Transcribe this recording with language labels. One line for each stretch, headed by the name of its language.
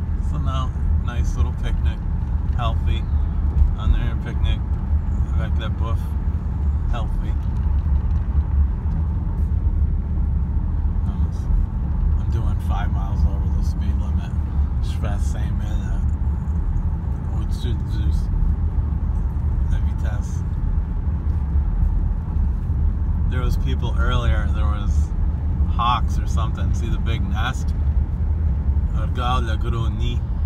English: So now, nice little picnic, healthy. On their picnic,
French: avec la bouffe,
English: healthy. I'm doing 5 miles over the speed limit.
French: Je fais 5000 au-dessus de la vitesse.
English: There was people earlier, there was hawks or something. See the big nest?
French: Regarde le gros nid.